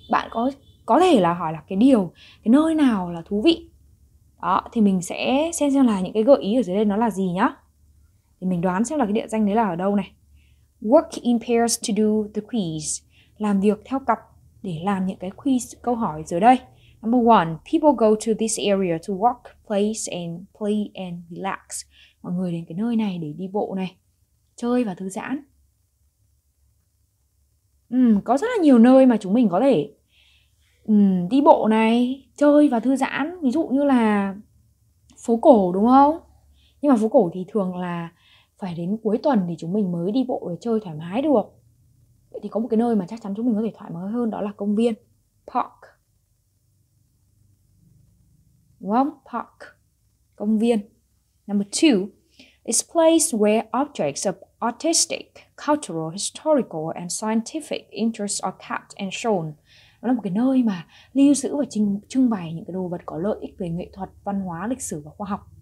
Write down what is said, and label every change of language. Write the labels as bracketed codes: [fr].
[vi] Bạn có thể là hỏi là cái điều, cái nơi nào là thú vị? Đó, thì mình sẽ xem là những cái gợi ý ở dưới đây nó là gì nhá. Thì mình đoán xem là cái địa danh đấy là ở đâu này. [en] Work in pairs to do the quiz. [vi] Làm việc theo cặp để làm những cái quiz câu hỏi dưới đây. [en] Number 1, people go to this area to walk, play and relax. [vi] Mọi người đến cái nơi này để đi bộ này, chơi và thư giãn. Có rất là nhiều nơi mà chúng mình có thể đi bộ này, chơi và thư giãn, ví dụ như là phố cổ đúng không? Nhưng mà phố cổ thì thường là phải đến cuối tuần thì chúng mình mới đi bộ để chơi thoải mái được. Vậy thì có một cái nơi mà chắc chắn chúng mình có thể thoải mái hơn, đó là công viên. [en] Park. [vi] Đúng không? Park. Công viên. [en] Number 2. It's a place where objects of artistic, cultural, historical and scientific interests are kept and shown. [vi] Đó là một cái nơi mà lưu giữ và trưng bày những cái đồ vật có lợi ích về nghệ thuật, văn hóa, lịch sử và khoa học.